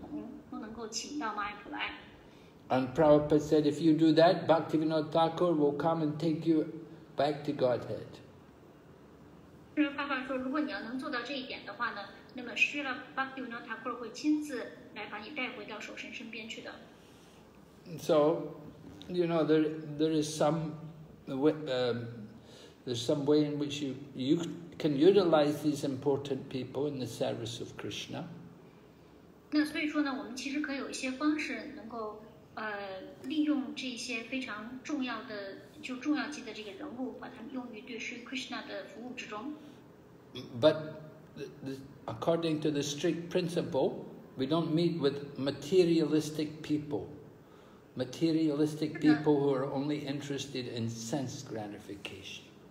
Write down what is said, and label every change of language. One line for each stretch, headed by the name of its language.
Chinese: 然后有位奉献者就对舍尔帕帕说呢，说等我们的这个大庙建起来以后呢，我希望能够把英国的女王以及像美国的总统都能够请到马尔普来。
English: And Prabhupada said, if you do that, Bhaktivinoda Thakur will come and take you back to Godhead.
Chinese: 舍尔帕帕说，如果你要能做到这一点的话呢，那么 Bhaktivinoda Thakur 会亲自来把你带回到守身身边去的。
English: So, you know, there's some way in which you can utilize these important people in the service of Krishna.
Chinese: 那所以说呢，我们其实可以有一些方式能够利用这些非常重要的就重要级的这个人物，把它们用于对Krishna的服务之中。
English: But according to the strict principle, we don't meet with materialistic people. Materialistic people who are only interested in sense gratification.